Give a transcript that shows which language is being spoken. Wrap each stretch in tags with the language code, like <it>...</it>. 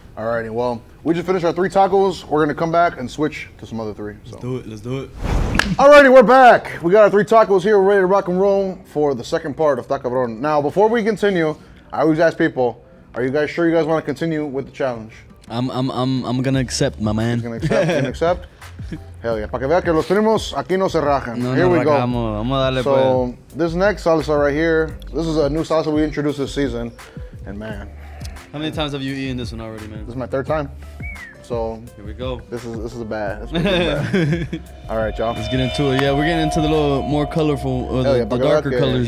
<en>Alrighty, well, we just finished our three tacos. We're going to come back and switch to some other three. So. Let's do it. Alrighty, we're back. We got our three tacos here. We're ready to rock and roll for the second part of Tacabron. Now, before we continue, I always ask people, are you guys sure you guys want to continue with the challenge? I'm going to accept, my man. You're going to accept? Hell yeah.</en> <es>Para que vea que los primos aquí no se rajan.</es> <en>Here we go.</en> <es>Vamos a darle,</es> <en>so, this next salsa right here, this is a new salsa we introduced this season. And man. How many times have you eaten this one already, man? This is my third time. So here we go. This is a bad. Bad. All right, y'all. Let's get into it. Yeah, we're getting into the little more colorful, the darker colors.</en>